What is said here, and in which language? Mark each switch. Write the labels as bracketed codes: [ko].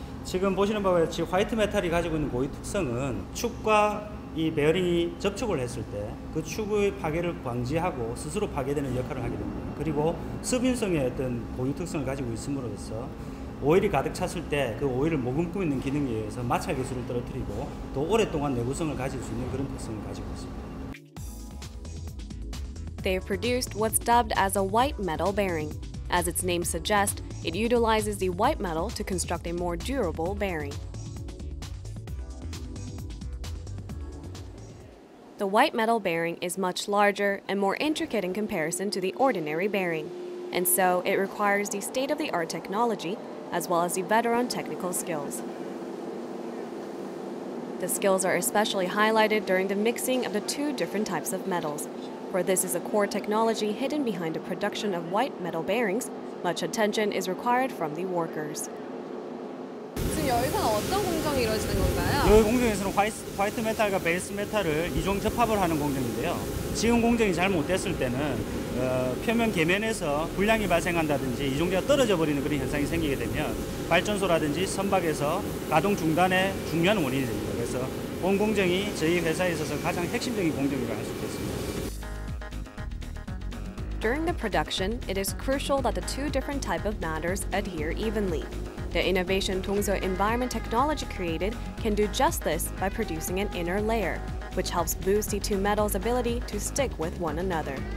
[ko] 지금 보시는 바와 같이 화이트 메탈이 가지고 있는 고유 특성은 축과 이 베어링이 접촉을 했을 때 그 축의 파괴를 방지하고 스스로 파괴되는 역할을 하게 됩니다. 그리고 습인성의 어떤 고유 특성을 가지고 있음으로써 오일이 가득 찼을 때 그 오일을 머금고 있는 기능에 의해서 마찰 계수를 떨어뜨리고 또 오랫동안 내구성을 가질 수 있는 그런 특성을 가지고 있습니다. [en] They produced what's dubbed as a white metal bearing. As its name suggests, it utilizes the white metal to construct a more durable bearing. The white metal bearing is much larger and more intricate in comparison to the ordinary bearing. And so, it requires the state-of-the-art technology as well as the veteran technical skills. The skills are especially highlighted during the mixing of the two different types of metals. For this is a core technology hidden behind the production of white metal bearings, much attention is required from the workers. [ko] 여기서는 어떤 공정이 이루어지는 건가요? 여기 공정에서는 화이트 메탈과 베이스 메탈을 이중 접합을 하는 공정인데요. 지금 공정이 잘못됐을 때는 표면 계면에서 불량이 발생한다든지 이중재가 떨어져 버리는 그런 현상이 생기게 되면 발전소라든지 선박에서 가동 중단의 중요한 원인이 됩니다. 그래서 본 공정이 저희 회사에 있어서 가장 핵심적인 공정이라고 할 수 있겠습니다. [en] During the production, it is crucial that the two different type of matters adhere evenly. The innovation Dongseo Environment Technology created can do just this by producing an inner layer, which helps boost the two metals' ability to stick with one another.